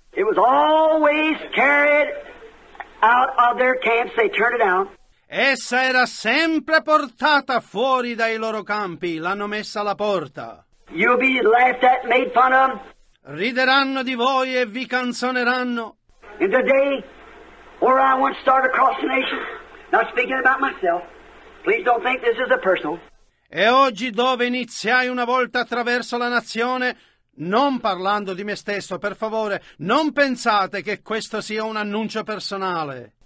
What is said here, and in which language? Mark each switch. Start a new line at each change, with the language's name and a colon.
English: It was always carried out of their camps, they turned it out.
Italian: Essa era sempre portata fuori dai loro campi, l'hanno messa alla porta.
English: You'll be laughed at, made fun of.
Italian: Rideranno di voi e vi canzoneranno.
English: In the day where I once started across the nation, not speaking about myself, please don't think this is a personal.
Italian: E oggi dove iniziai una volta attraverso la nazione, non parlando di me stesso, per favore, non pensate che questo sia un annuncio personale.